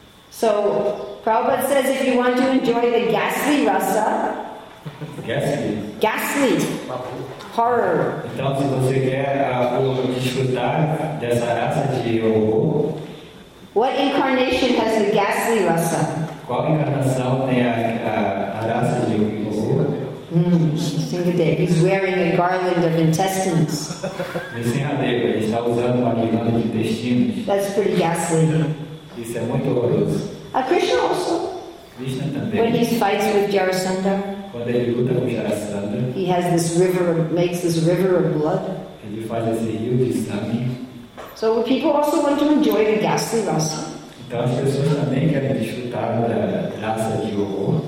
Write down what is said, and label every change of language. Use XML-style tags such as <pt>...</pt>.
<en>So, Prabhupada says if you want to enjoy the ghastly rasa. Ghastly.</en> <pt>Horror. Então, se você quer desfrutar dessa raça de horror.</pt> <en>What incarnation has the ghastly rasa?</en> <pt>Qual encarnação tem a raça de horror?</pt> <en>Think of that. He's wearing a garland of intestines. That's pretty ghastly.</en> <pt>Isso é muito horroroso.</pt> <en>A Krishna also.</en> <pt>Krishna também.</pt> <en>When he fights with Jarasandha.</en> <pt>Quando ele luta com Jarasandha.</pt> <en>He has this river, makes this river of blood.</en> <pt>Ele faz esse rio de sangue.</pt> <en>So people also want to enjoy the ghastly rasa.</en> <pt>Então as pessoas também querem desfrutar da raça de horror.</pt>